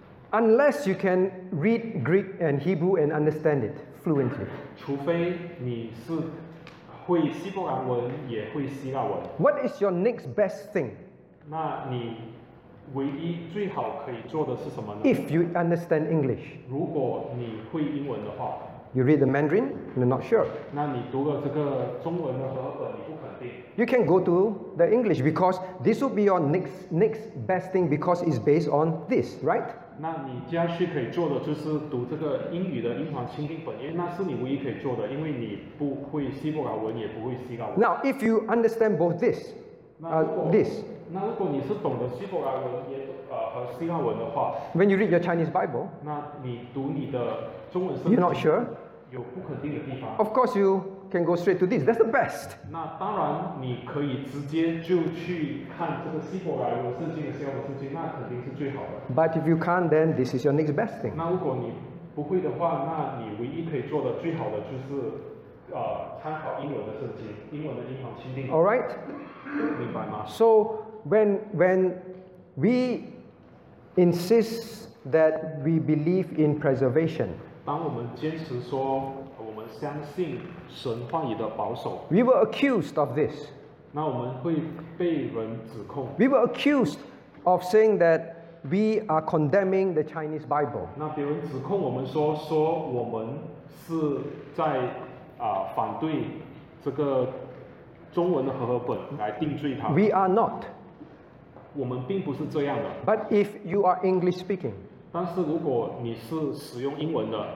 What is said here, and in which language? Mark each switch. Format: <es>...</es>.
<en>Unless you can read Greek and Hebrew and understand it fluently.</en> <zh>除非你是会希伯来文，也会希腊文。</zh> <en>What is your next best thing?</en> <zh>那你 唯一最好可以做的是什么呢？</zh> <en>If you understand English,</en> <zh>如果你会英文的话，</zh> <en>You read the Mandarin, you're not sure.</en> <zh>那你读了这个中文的和本，你不肯定。</zh> <en>You can go to the English because this will be your next best thing because it's based on this, right?</en> <zh>那你接下去可以做的就是读这个英语的英皇钦定本，因为那是你唯一可以做的，因为你不会希伯来文，也不会希腊文。</zh> <en>Now, if you understand both this,</en> <zh>那如果你是懂得希伯来文也和希腊文的话</zh> <en>，When you read your Chinese Bible,</en> <zh>那你读你的中文圣经</zh> <en>，You're not sure.</en> <zh>有不肯定的地方。</zh> <en>Of course, you can go straight to this. That's the best.</en> <zh>那当然，你可以直接就去看这个希伯来文圣经和希腊文圣经，那肯定是最好的。</zh> <en>But if you can't, then this is your next best thing.</en> <zh>那如果你不会的话，那你唯一可以做的最好的就是，参考英文的圣经，英文的英皇钦定。</zh> <en>All right.</en> <zh>明白吗</zh> <en>？So when we insist that we believe in preservation,</en> <zh>当我们坚持说我们相信神话语的保守</zh> <en>，we were accused of this.</en> <zh>那我们会被人指控。</zh> <en>We were accused of saying that we are condemning the Chinese Bible.</en> <zh>那别人指控我们说我们是在反对这个中文的和合本来定罪他。</zh> <en>We are not.</en> <zh>我们并不是这样的。</zh> <en>But if you are English speaking,</en> <zh>但是如果你是使用英文的</zh>